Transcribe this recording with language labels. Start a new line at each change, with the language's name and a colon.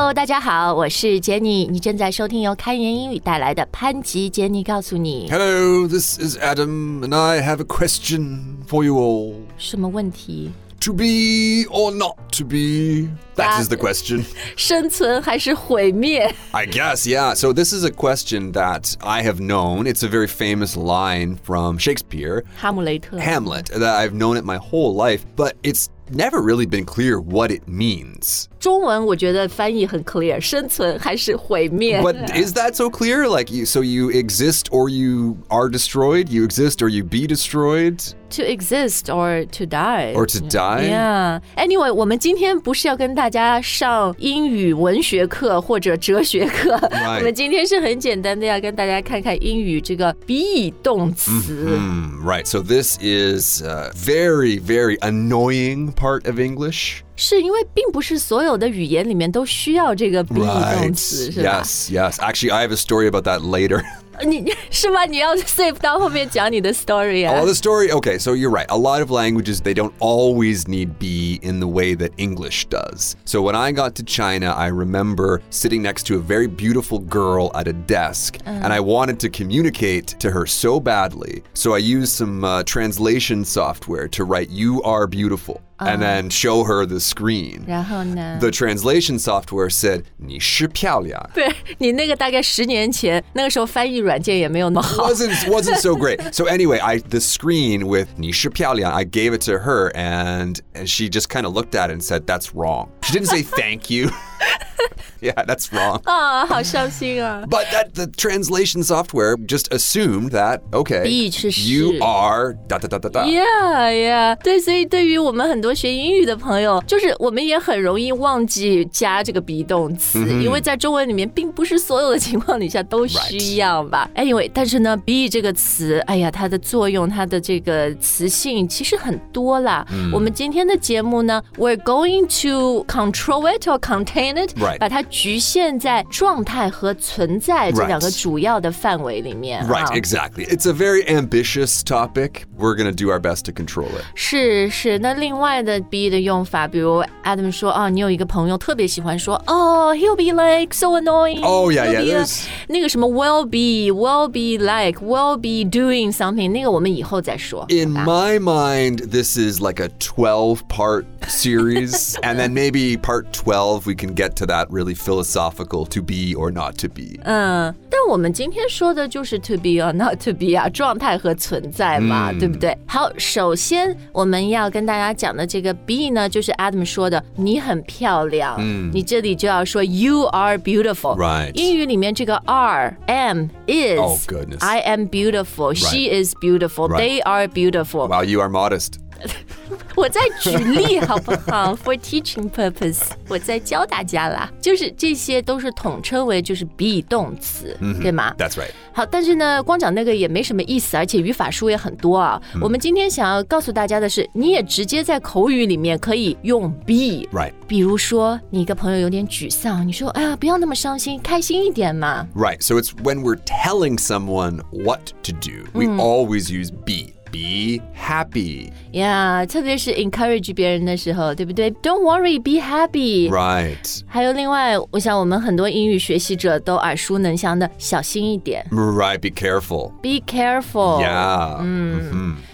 Chinese: 家好，我是 Jenny， 你正在收听由开言英语带来的潘吉 Jenny 告诉你。
English: Hello, this is Adam, and I have a question for you all.
Chinese: 什么问题？
English: To be or not to be, that is the question.
Chinese: 生存还是毁灭
English: I guess, yeah. So this is a question that I have known. It's a very famous line from Shakespeare.
Chinese: 哈姆雷特
English: Hamlet, that I've known it my whole life, but it's never really been clear what it means.
Chinese: 中文我觉得翻译很 clear, 生存还是毁灭
English: But is that so clear? Like, you exist or you are destroyed? You exist or you be destroyed? To exist or to die. Or to die? Yeah.
Chinese: Anyway, 我们今天不是要跟大家上英语文学课或者哲学课。
English: Right.
Chinese: 我们今天是很简单的要跟大家看看英语这个 be 动词。
English: Mm-hmm. Right. So this is a very, very annoying part of English.
Chinese: 是因为并不是所有的语言里面都需要这个 be 动词
English: right,
Chinese: 是吧
English: Yes, yes. Actually, I have a story about that later.
Chinese: 你是吗你要 save 到后面讲你的 story 啊
English: Oh, the story, okay. So you're right. A lot of languages, they don't always need be in the way that English does. So when I got to China, I remember sitting next to a very beautiful girl at a desk, and I wanted to communicate to her so badly. So I used some translation software to write, you are beautiful. And then show her the screen.
Chinese: 然后呢?
English: The translation software said,
Chinese: 你是漂亮。对,你那个大概十年前,那个时候翻译软件也没有那么好。
English: Wasn't so great. So anyway, the screen with
Chinese: 你是漂亮,
English: I gave it to her, and she just kind of looked at it and said, that's wrong. She didn't say thank you. Yeah, that's wrong.
Chinese: Oh, 好伤心啊。
English: But the translation software just assumed that, okay,
Chinese: be 是是
English: you are da da da da da. Yeah, yeah.
Chinese: 对，所以对于我们很多学英语的朋友，就是我们也很容易忘记加这个 be 动词、mm-hmm. 因为在中文里面并不是所有的情况底下都需要吧。
English: Right.
Chinese: Anyway, 但是呢 be 这个词哎呀它的作用它的这个词性其实很多啦。 Mm. 我们今天的节目呢
English: we're going to control it or contain it,、 right.
Chinese: 把它局限在状态和存在这两个主要的范围里面。
English: Right, exactly. It's a very ambitious topic. We're going to do our best to control it.
Chinese: 是是，那另外的 be 的用法，比如 Adam 说，哦，你有一个朋友特别喜欢说，哦，
English: he'll be like so annoying. Oh, yeah, yeah. There's...
Chinese: 那个什么
English: will be like, will be doing something,
Chinese: 那个我们以后再说。
English: In my mind, this is like a 12-part series, and then maybe part 12, we can get to that really. Philosophical to be or not to be.
Chinese: 但我们今天说的就是
English: to be or not to be
Chinese: 啊，状态和存在嘛，对不对？好，首先我们要跟大家讲的这个 be 呢，就是 Adam 说的，你很漂亮。你这里就要说
English: you are beautiful. Right.
Chinese: 英语里面这个 are, am, is.
English: Oh goodness. I am beautiful. Right. She is beautiful. Right. They are beautiful. Wow, you are modest.
Chinese: 我在举例好不好
English: For teaching purpose
Chinese: 我在教大家啦就是这些都是统称为就是 be 动词、mm-hmm. 对吗
English: That's right
Chinese: 好但是呢光讲那个也没什么意思而且语法书也很多啊、mm-hmm. 我们今天想要告诉大家的是你也直接在口语里面可以用 be
English: Right
Chinese: 比如说你一个朋友有点沮丧你说哎呀不要那么伤心开心一点嘛
English: Right so it's when we're telling someone what to do We、mm-hmm. always use be happy.
Chinese: Yeah, 特别是 encourage 别人的时候，对不对？
English: Don't worry, be happy. Right.
Chinese: 还有另外，我想我们很多英语学习者都耳熟能详的，小心一点。
English: Right, be careful. Be careful. Yeah.